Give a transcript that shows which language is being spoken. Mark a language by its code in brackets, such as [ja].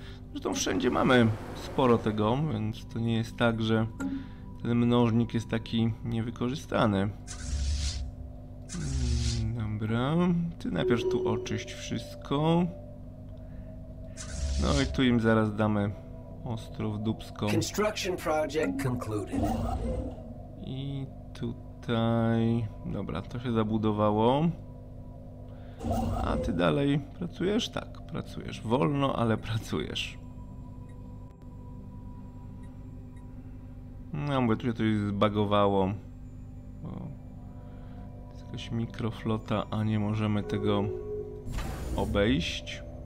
[pl] Zresztą wszędzie mamy sporo tego, więc to nie jest tak, że ten mnożnik jest taki niewykorzystany. Dobra, ty najpierw tu oczyść wszystko. No i tu im zaraz damy ostrów dubską. [en] Construction project concluded. [pl] I tutaj... Dobra, to się zabudowało. A ty dalej pracujesz? Tak, pracujesz. Wolno, ale pracujesz. No, mówię, tu się coś zbugowało. Bo to jest jakaś mikroflota, a nie możemy tego obejść.